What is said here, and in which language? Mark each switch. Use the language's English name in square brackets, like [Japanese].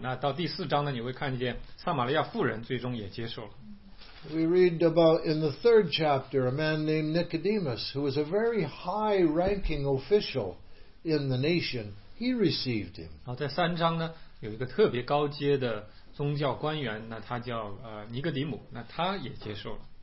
[Chinese] 那到第四章呢你会看见撒玛利亚妇人最终也接受了。 [English] We read about in the third chapter a man named Nicodemus who was a very high ranking official in the nation. He received him. [Chinese] 然后在三章呢有一个特别高阶的宗教官员，那他叫尼格迪姆，那他也接受了。